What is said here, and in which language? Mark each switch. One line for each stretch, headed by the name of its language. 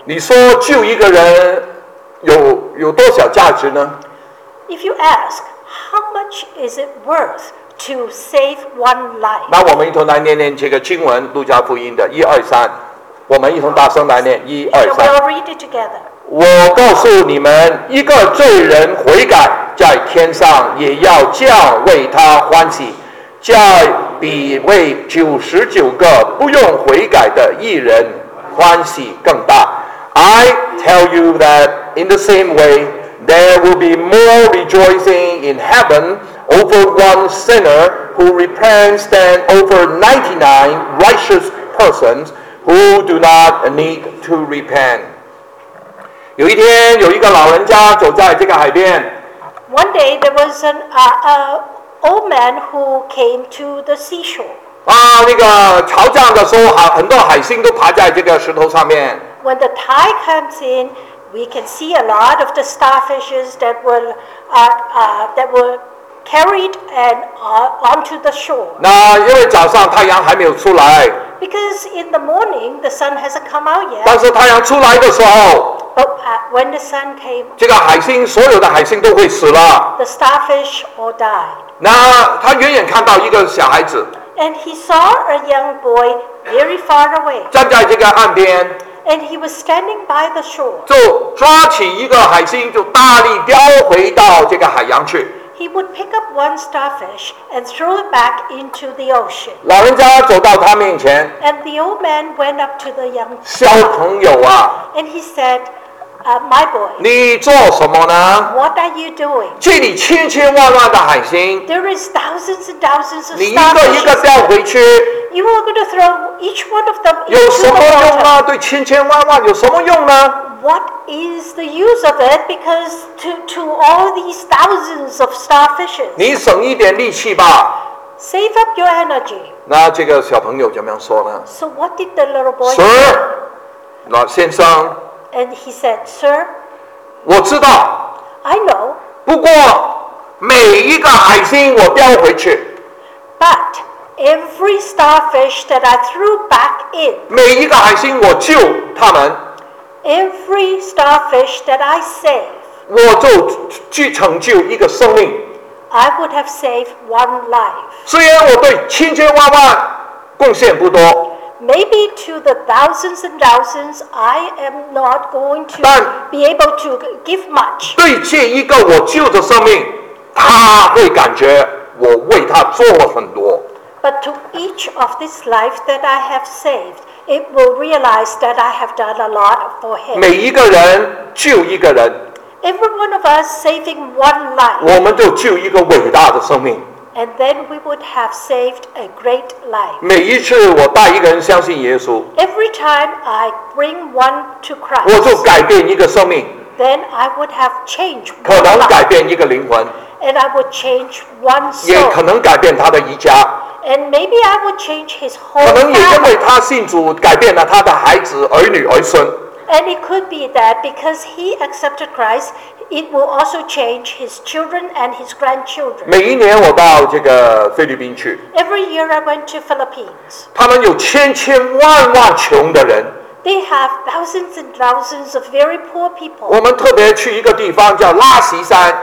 Chinese: 你说救一个人有多少价值呢
English: ？If you ask, how much is it worth to save one life?
Chinese: 那我们一同来念念这个经文，《路加福音》的一二三。我们一同大声来念一二三。
English: We'll read it together.
Chinese: 我告诉你们，一个罪人悔改，在天上也要叫为他欢喜。叫比为九十九个不用悔改的义人欢喜更大。
English: I tell you that in the same way, there will be more rejoicing in heaven over one sinner who repents than over 99 righteous persons who do not need to repent.
Chinese: 有一天，有一个老人家走在这个海边。
English: One day there was an old man who came to the seashore.
Chinese: 啊，那个潮涨的时候，很多海星都爬在这个石头上面。
English: When the tide comes in, we can see a lot of the starfishes that were carried and onto the shore.
Chinese: 那因为早上太阳还没有出来。
English: Because in the morning the sun hasn't come out yet.
Chinese: 但是太阳出来的时候。
English: But when the sun came.
Chinese: 这个海星，所有的海星都会死了。
English: The starfish all died.
Chinese: 那他远远看到一个小孩子。
English: And he saw a young boy very far away.
Chinese: 站在这个岸边。
English: And he was standing by the shore.
Chinese: 就抓起一个海星，就大力叼回到这个海洋去。
English: He would pick up one starfish and throw it back into the ocean.
Chinese: 老人家走到他面前。
English: And the old man went up to the young boy.
Chinese: 小朋友啊。
English: And he said, my boy.
Chinese: 你做什么呢
English: ？What are you doing?
Chinese: 这里千千万万的海星。
English: There is thousands and thousands of starfish.
Chinese: 你一个一个叼回去。
English: You are going to throw each one of them into the water.
Chinese: 有什么用啊？对千千万万有什么用呢
English: ？What is the use of it? Because to all these thousands of starfishes.
Chinese: 你省一点力气吧。
English: Save up your energy.
Chinese: 那这个小朋友怎么样说呢
English: ？So what did the little boy say? Sir,
Chinese: 老先生。
English: And he said, "Sir."
Chinese: 我知道。
English: I know.
Chinese: 不过每一个海星我叼回去。
English: But. Every starfish that I threw back in.
Chinese: 每一个海星，我救他们。
English: Every starfish that I save.
Chinese: 我就去成就一个生命。
English: I would have saved one life.
Chinese: 虽然我对千千万万贡献不多。
English: Maybe to the thousands and thousands, I am not going to be able to give much.
Chinese: 对这一个我救的生命，他会感觉我为他做了很多。
English: But to each of this life that I have saved, it will realize that I have done a lot for him.
Chinese: 每一个人救一个人。
English: Every one of us saving one life.
Chinese: 我们就救一个伟大的生命。
English: And then we would have saved a great life.
Chinese: 每一次我带一个人相信耶稣。
English: Every time I bring one to Christ.
Chinese: 我就改变一个生命。
English: Then I would have changed one life.
Chinese: 可能改变一个灵魂。
English: And I would change one soul.
Chinese: 也可能改变他的一家。
English: And maybe I would change his whole.
Chinese: 可能也因为他信主，改变了他的孩子、儿女、儿孙。
English: And it could be that because he accepted Christ, it will also change his children and his grandchildren.
Chinese: 每一年我到这个菲律宾去。
English: Every year I went to Philippines.
Chinese: 他们有千千万万穷的人。
English: They have thousands and thousands of very poor people.
Chinese: 我们特别去一个地方叫拉希山。